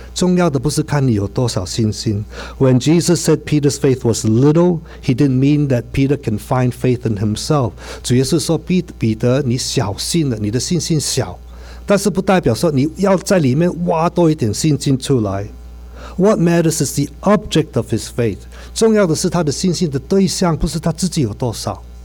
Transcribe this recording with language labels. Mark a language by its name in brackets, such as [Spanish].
[Chinese] 重要的不是看你有多少信心。 [English] When Jesus said Peter's faith was little, he didn't mean that Peter can find faith in himself. [Chinese] 主耶稣说彼得你小信了，你的信心小，但是不代表说你要在里面挖多一点信心出来。 [English] What matters is the object of his faith. [Chinese] 重要的是他的信心的对象，不是他自己有多少。